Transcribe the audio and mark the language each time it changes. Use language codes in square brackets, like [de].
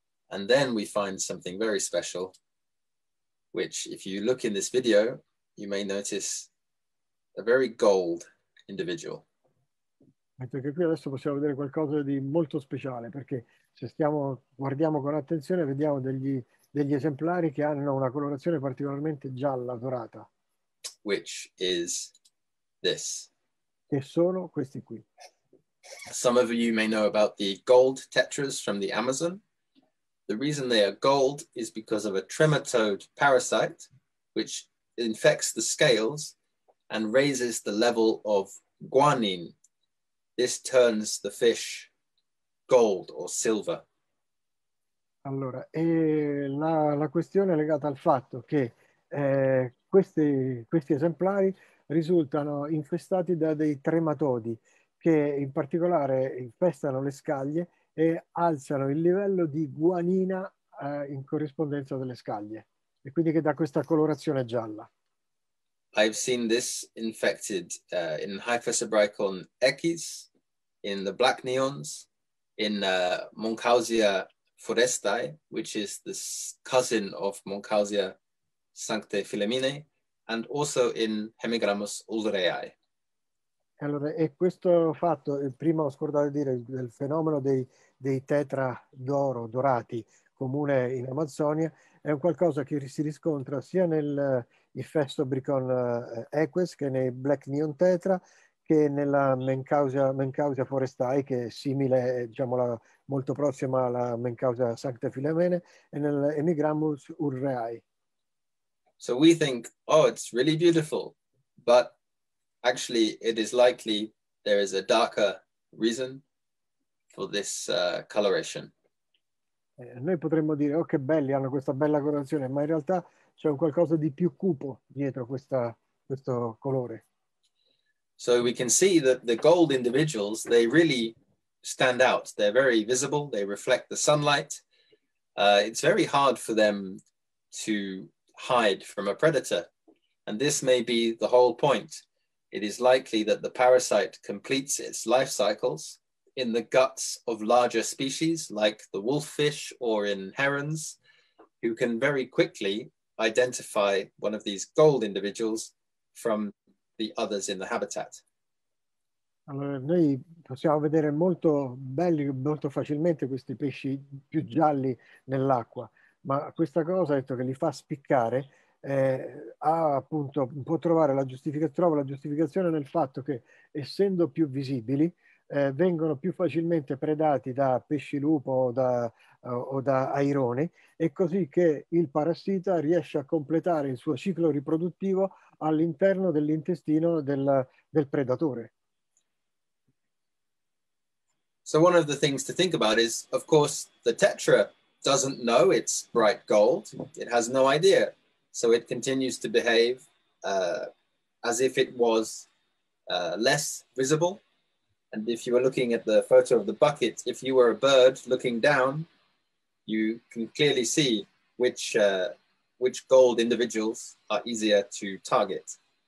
[en] And then we find something very special, which if you look in this video, you may notice a very gold individual. [it] Mentre che qui adesso possiamo vedere qualcosa di molto speciale, perché se guardiamo con attenzione, vediamo degli esemplari che hanno una colorazione particolarmente gialla, dorata. [en] Which is this. [it] Che sono questi qui. [en] Some of you may know about the gold tetras from the Amazon. The reason they are gold is because of a trematode parasite which infects the scales and raises the level of guanine. This turns the fish gold or silver. [it] Allora, la questione è legata al fatto che questi esemplari risultano infestati da dei trematodi, che in particolare infestano le scaglie e alzano il livello di guanina in corrispondenza delle scaglie, e quindi che dà questa colorazione gialla. [en] I've seen this infected in Hyphisobrachon equis, in the black neons, in Monkhousia forestae, which is the cousin of Monkhousia sancte filamine, and also in Hemigrammus ulreae. [it] Allora, e questo fatto, prima ho scordato di dire, del fenomeno dei tetra d'oro, dorati, comune in Amazzonia, è un qualcosa che si riscontra sia nel Infestobrichon equus, che nei black neon tetra, che nella Menkhousia forestae, che è simile, molto prossima alla Menkhousia sancte filamene, e nel Hemigrammus ulreae. [en] So we think, oh, it's really beautiful, but actually, it is likely there is a darker reason for this coloration. [it] Noi potremmo dire, oh, che belli, hanno questa bella colorazione, ma in realtà c'è un qualcosa di più cupo dietro questo colore. [en] So we can see that the gold individuals, they really stand out. They're very visible, they reflect the sunlight. It's very hard for them to hide from a predator. And this may be the whole point. It is likely that the parasite completes its life cycles in the guts of larger species like the wolffish or in herons, who can very quickly identify one of these gold individuals from the others in the habitat. [it] Allora, noi possiamo vedere molto belli, molto facilmente questi pesci più gialli nell'acqua, ma questa cosa, detto che li fa spiccare, ha appunto, può trovare la giustificazione nel fatto che, essendo più visibili, vengono più facilmente predati da pesci lupo o da aironi, e così che il parassita riesce a completare il suo ciclo riproduttivo all'interno dell'intestino del predatore. [en] So one of the things to think about is, of course, the tetra doesn't know it's bright gold. It has no idea. So it continues to behave as if it was less visible. And if you were looking at the photo of the bucket, if you were a bird looking down, you can clearly see which gold individuals are easier to target.